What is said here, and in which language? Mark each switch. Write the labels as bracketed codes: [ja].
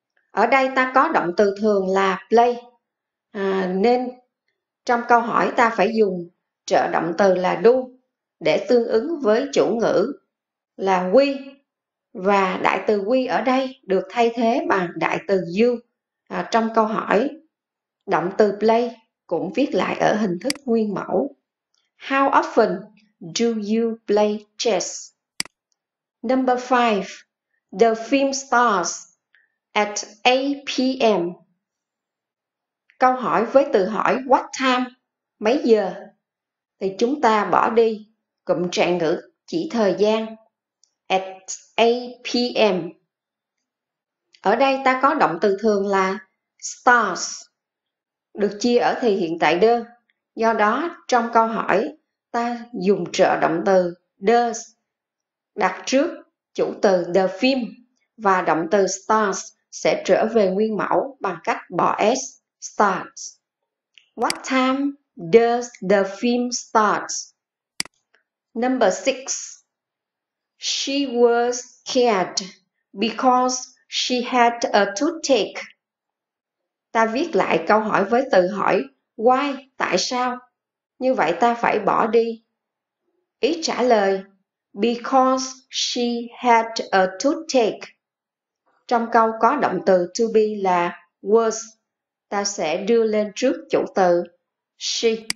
[vi] Ở đây ta có động từ thường là play. Nên trong câu hỏi ta phải dùng trợ động từ là do để tương ứng với chủ ngữ là we và đại từ we ở đây được thay thế bằng đại từ you. Trong câu hỏi động từ play cũng viết lại ở hình thức nguyên mẫu. [en] How often do you play chess? Number five, the film starts at 8 p.m. [vi] Câu hỏi với từ hỏi what time, mấy giờ? Thì chúng ta bỏ đi cụm trạng ngữ chỉ thời gian at 8 p.m. Ở đây ta có động từ thường là starts được chia ở thì hiện tại đơn. Do đó trong câu hỏi ta dùng trợ động từ does đặt trước chủ từ the film và động từ starts sẽ trở về nguyên mẫu bằng cách bỏ s. [en] Starts. What time does the film start? Number six. She was scared because she had a toothache. [vi] Ta viết lại câu hỏi với từ hỏi why, tại sao? Như vậy ta phải bỏ đi ý trả lời [en] because she had a toothache. [vi] Trong câu có động từ to be là was. Ta sẽ đưa lên trước chủ từ she.